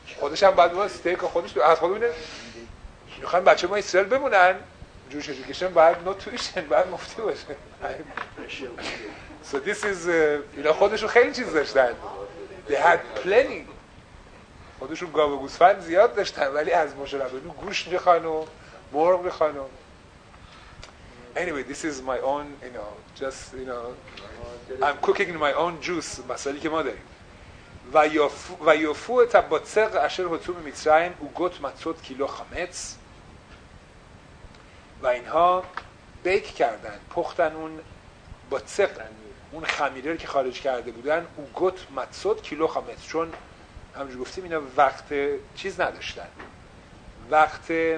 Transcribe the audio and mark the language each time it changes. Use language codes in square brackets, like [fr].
[fa] خودش هم بعد واسه استیک خودش از خود میده. میخوان بچه ما اسرائیل بمونن جوش ادویکیشن باید نو تویشن باید مفتی باشه. [en] So this is [fa] اینا خودشون خیلی چیز داشتن. [en] They had plenty. [fa] خودشون گاو و گوسفند زیاد داشتن ولی از مشربانو گوش میخوان و مرغ میخوان. [en] Anyway, this is my own, you know, just, you know, I'm cooking in my own juice, [fa] مسئله که ما داریم. و یافو تا بطق اشر حتوم میترایم او گوت متود کیلو خمیت و اینها بیک کردن، پختن اون بطق اون خمیره که خارج کرده بودن او گوت متود کیلو خمیت، چون همجور گفتیم اینا وقت چیز نداشتن، وقت